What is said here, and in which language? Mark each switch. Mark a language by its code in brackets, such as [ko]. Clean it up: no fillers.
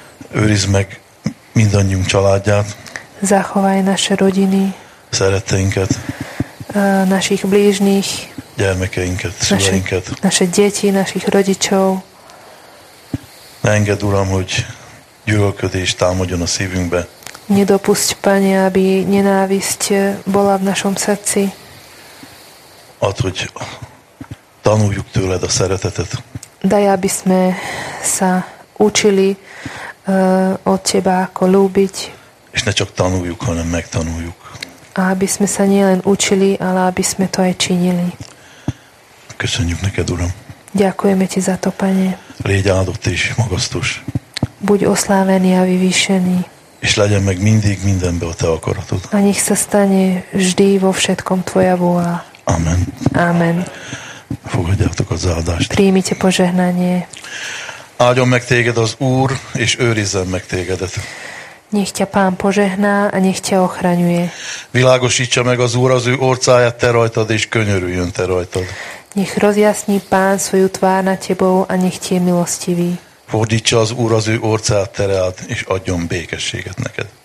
[hu] Őrizd meg mindannyiunk családját. [sk] Zachovaj naše rodiny. [hu] Szeretteinket. [sk] Našich blížnych. [hu] Gyermekeinket, szüleinket. [sk] Naše deti, našich rodičov. [hu] Ne engedd, Uram, hogy gyűlölködés támadjon a szívünkbe. [sk] Nedopusť, Pane, aby nenávisť bola v našom srdci. [hu] Add, hogy tanuljuk tőled a szeretetet. [sk] Daj, aby sme sa učili od teba, ako ľúbiť. [hu] És ne csak tanuljuk, hanem megtanuljuk. [sk] Aby sme sa nielen učili, ale aby sme to aj činili. [hu] Köszönjük neked, Uram. [sk] Ďakujeme ti za to, Pane. [hu] Légy áldott és magasztos. [sk] Buď oslávený a vyvýšený. [hu] És legyen meg mindig mindenbe a te akaratod. [sk] A nech sa stane vždy vo všetkom tvoja vôľa. [hu] Amen. [sk] Amen. [hu] Fogadjátok az áldást. [sk] Príjmite požehnanie. [hu] Áldjon meg téged az Úr, és őrizzen meg tégedet. [sk] Nech ťa Pán požehná a nech ťa ochraňuje. [hu] Világosítsa meg az Úr az ő orcáját te rajtad, és könyörüljön te rajtad. [sk] Nech rozjasní Pán svoju tvár na tebou a nech ti je milostivý. [hu] Fordítsa az Úr az ő orcáját te rád, és adjon békességet neked.